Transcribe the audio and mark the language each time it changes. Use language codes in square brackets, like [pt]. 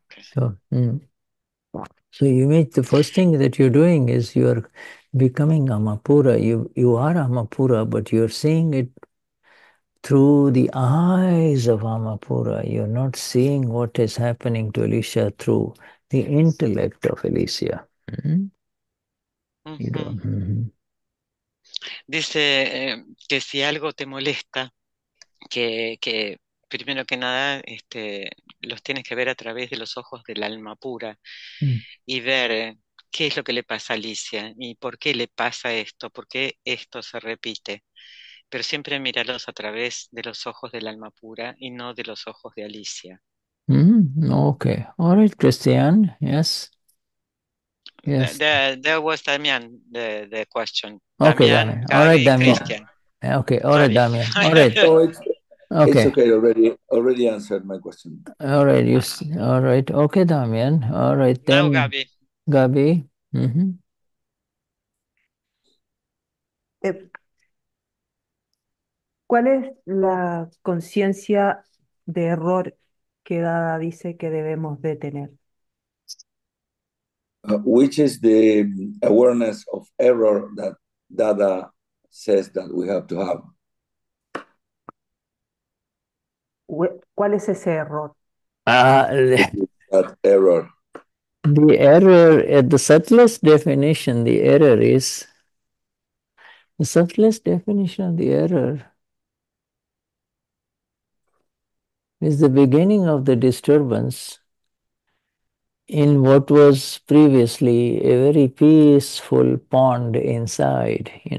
[en] So you meet the first thing that you're doing is you're becoming Amapura. You are Amapura, but you're seeing it through the eyes of Amapura. You're not seeing what is happening to Alicia through the intellect of Alicia. You don't. [es] Dice que si algo te molesta, que primero que nada, los tienes que ver a través de los ojos del alma pura y ver qué es lo que le pasa a Alicia y por qué le pasa esto, por qué esto se repite. Pero siempre míralos a través de los ojos del alma pura y no de los ojos de Alicia. [en] Okay. All right, Christian. Yes. Yes. There was Damian, the question. Okay, Damian, Damien. All right, Damien. Christian. Okay, all right, Sorry. Damien. All right. No, it's Okay. okay. Already answered my question. All right, you see. All right, okay, Damien. All right, Now, then, Gabby. Gabi. [es] ¿Cuál es la conciencia de error que Dada dice que debemos de tener? [en] Which is the awareness of error that Dada says that we have to have? [es] ¿Cuál es ese error? [en] That error. The error, at the subtlest definition, the error is the subtlest definition of the error is the beginning of the disturbance in what was previously a very peaceful pond inside.